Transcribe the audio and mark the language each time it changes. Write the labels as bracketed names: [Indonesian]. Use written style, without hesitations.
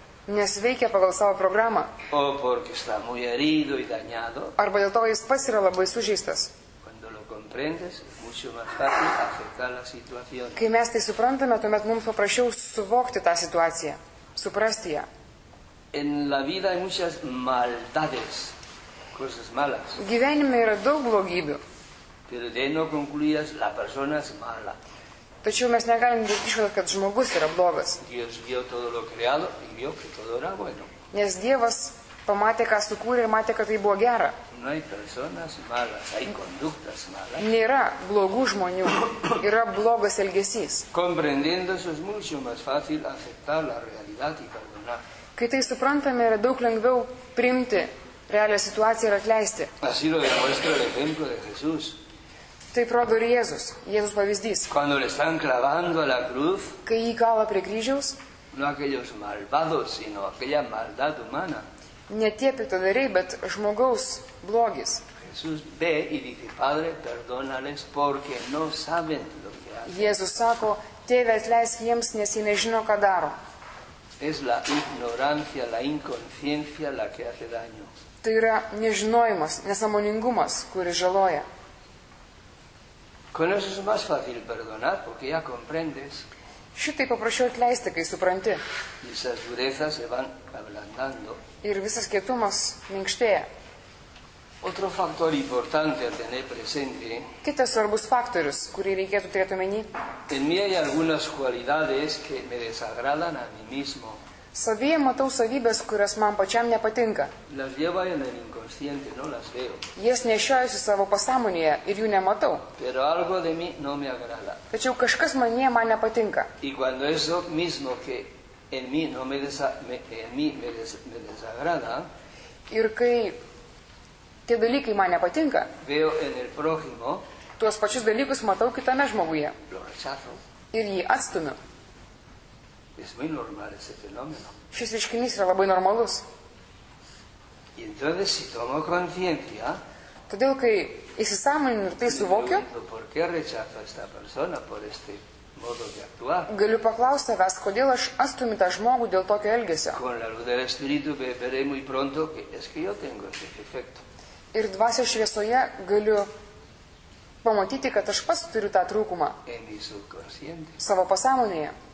[Lithuanian] Nes veikia pagal savo programą. Arba dėl to, kad jis pats yra labai sužeistas. Kai mes tai suprantame, tuomet mums paprašiau suvokti tą situaciją, suprasti ją. [Spanish] En la vida hay muchas maldades, cosas malas. [Lithuanian] Gyvenime yra daug blogybių. [Spanish] Pero de no concluyas, la persona es mala. [Lithuanian] Tačiau mes negalime daryti išvadą, kad žmogus yra blogas. [Spanish] Dios vio todo lo creado y vio que todo era bueno. [Lithuanian] Nes Dievas pamatė, ką sukūrė ir matė, kad tai buvo gera. [Spanish] No hay personas malas, hay conductas malas. [Lithuanian] Nėra blogų žmonių, yra blogas elgesys. [Spanish] Comprendiendo eso es mucho más fácil aceptar la realidad y perdonar. [Lithuanian] Kai tai suprantame, yra daug lengviau priimti realią situaciją ir atleisti. [Spanish] Así lo demuestra el ejemplo de Jesús. [Lithuanian] Tai rodo ir Jėzus, Jėzus pavyzdys. [Spanish] Cuando le están clavando a la cruz, [Lithuanian] kai jį kala prie kryžiaus, [Spanish] no aquellos malvados, sino aquella maldad humana. [Lithuanian] Ne tie piktadariai, bet žmogaus blogis. [Spanish] Jesús ve y dice, Padre, perdónales porque no saben lo que hacen. [Lithuanian] Jesús sako, Tėve, atleisk jiems, nes jie nežino, ką daro. [Spanish] Es la ignorancia, la inconsciencia la que hace daño. [Lithuanian] Tai yra nežinojimas, nesamoningumas, kuris žaloja. [Spanish] Con eso es más fácil perdonar, porque ya comprendes. [Lithuanian] Šitai paprašiau atleisti, kai supranti. [Spanish] Visas durezas se van ablandando. [Lithuanian] Ir visas kietumas minkštėja. [Spanish] Otro factor importante a tener presente. [Lithuanian] Kitas svarbus faktorius, kurį reikėtų turėti omeny. [Spanish] En mí hay algunas cualidades que me desagradan a mí mismo. [Lithuanian] Savyje matau savybės, kurias man pačiam nepatinka. [Spanish] Las llevo en el inconsciente, no las veo. [Lithuanian] Jas nešiojusi savo pasąmonėje ir jų nematau. [Spanish] Pero algo de mí no me agrada. [Lithuanian] Tačiau kažkas manyje man nepatinka. [Spanish] Y cuando eso mismo que en mí no me desagrada. [Lithuanian] Ir kai tie dalykai man nepatinka. [Spanish] Veo en el prójimo. [Lithuanian] Tuos pačius dalykus matau kitame žmoguje. [Spanish] Lo rechazo. [Lithuanian] Ir jį atstumiu. [Spanish] Es muy normal ese fenómeno. [Lithuanian] Šis reiškinys yra labai normalus. [Spanish] Y entonces si tomo conciencia. [Lithuanian] Todėl kai įsisąmoninu ir tai suvokiu. [Spanish] ¿Por qué rechazo a esta persona por este modo de actuar? [Lithuanian] Galiu paklausti savęs, kodėl aš atstumiu tą žmogų dėl tokio elgesio. [Spanish] Con la luz del espíritu veré muy pronto que es que yo tengo ese efecto. [Lithuanian] Ir dvasios šviesoje galiu pamatyti, kad aš pats turiu tą trūkumą savo pasąmonėje.